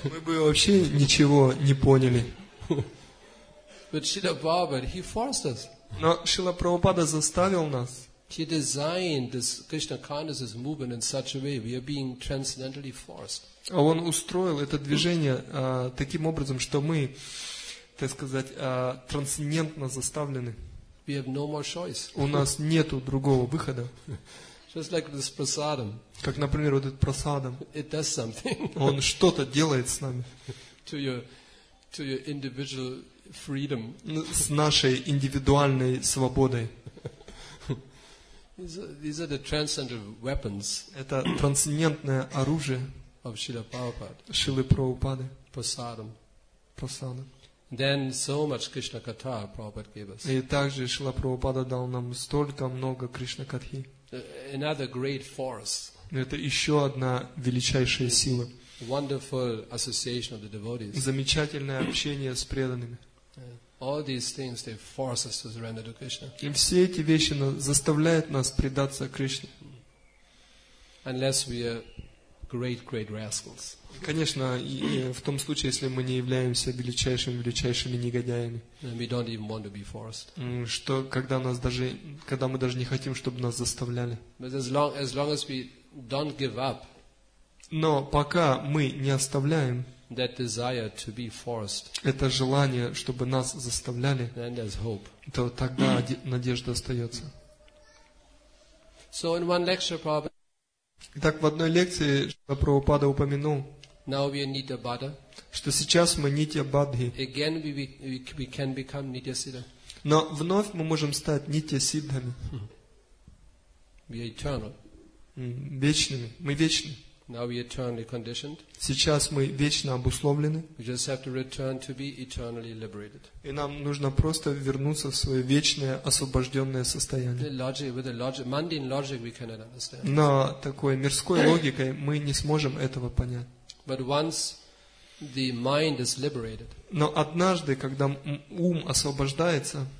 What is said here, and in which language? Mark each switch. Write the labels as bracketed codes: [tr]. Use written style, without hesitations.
[ru] Мы бы вообще ничего не поняли. [en] But Srila Prabhupada, he forced us. [ru] Но Шрила Прабхупада заставил нас. [en] He designed this Krishna consciousness movement in such a way we are being transcendentally forced. [ru] Он устроил это движение таким образом, что мы, так сказать, трансцендентно заставлены. [en] We have no more choice. [ru] У нас нету другого выхода. [en] Just like this prasadam. [ru] Как, например, вот этот прасадам. [en] It does something. [ru] Он что-то делает с нами. [en] To your individual freedom. [ru] С нашей индивидуальной свободой. [en] These are the transcendental weapons. [ru] Это трансцендентное оружие. [en] Of Srila Prabhupada. [ru] Шрилы Прабхупады. [en] Prasadam. [ru] Prasadam. [en] Then so much Krishna Katha Prabhupada gave us. [ru] И также Шрила Прабхупада дал нам столько много Кришна Катхи. [en] Another great force. [ru] Это еще одна величайшая сила. [en] Wonderful association of the devotees. [ru] Замечательное общение с преданными. [en] All these things they force us to surrender to Krishna. [ru] И все эти вещи заставляют нас предаться Кришне. [en] Unless we are great, great rascals. [ru] Конечно, в том случае, если мы не являемся величайшими негодяями. [en] And we don't even want to be forced. [ru] Что, когда мы даже не хотим, чтобы нас заставляли. [en] But as long as we don't give up. [ru] Но пока мы не оставляем. [en] That desire to be forced. [ru] Это желание, чтобы нас заставляли. [en] Then there's hope. [ru] То тогда надежда остается. [en] So in one lecture, Prabhupada. [ru] Итак, в одной лекции Шрила Прабхупада упомянул, [en] now we are Nitya Bhadha, [ru] что сейчас мы Нитья Бадхи. [en] Again we can become Nitya Siddha. [ru] Но вновь мы можем стать Нитья Сиддхами. [en] We are eternal. [ru] Вечными. Мы вечны. [en] Now we are eternally conditioned. [ru] Сейчас мы вечно обусловлены. [en] We just have to return to be eternally liberated. [ru] И нам нужно просто вернуться в свое вечное освобожденное состояние. [en] With the mundane logic we cannot understand. [ru] Но такой мирской логикой мы не сможем этого понять. [en] But once the mind is liberated, [ru] но однажды, когда ум освобождается,